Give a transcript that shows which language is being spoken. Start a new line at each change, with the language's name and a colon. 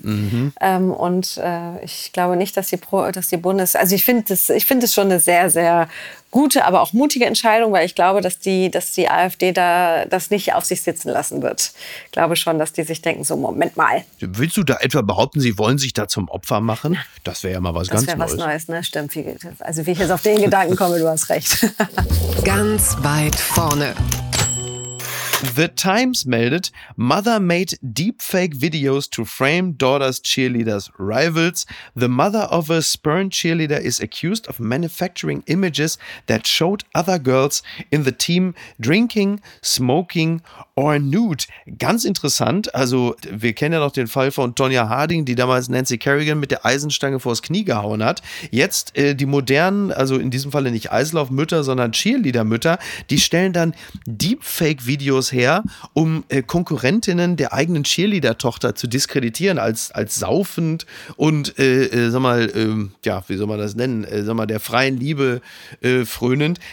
German: Mhm. Ich glaube nicht, dass die Bundeswehr, also ich finde es schon eine sehr, sehr gute, aber auch mutige Entscheidung, weil ich glaube, dass die AfD da das nicht auf sich sitzen lassen wird. Ich glaube schon, dass die sich denken, so Moment mal. Willst du da etwa behaupten, sie wollen sich da zum Opfer machen? Das wäre ja mal was ganz Neues. Das wäre was Neues, ne? Stimmt. Also wie ich jetzt auf den Gedanken komme, du hast recht. Ganz weit vorne.
English: The Times
German: meldet,
English: Mother made deepfake videos to frame daughter's cheerleader's rivals. The mother of a spurned cheerleader is accused of manufacturing images that showed other girls in the team drinking, smoking or nude.
German: Ganz interessant, also wir kennen ja noch den Fall von Tonya Harding, die damals Nancy Kerrigan mit der Eisenstange vors Knie gehauen hat. Jetzt die modernen, also in diesem Falle nicht Eislaufmütter, sondern Cheerleadermütter, die stellen dann deepfake Videos her, um Konkurrentinnen der eigenen Cheerleader-Tochter zu diskreditieren als saufend und der freien Liebe frönend.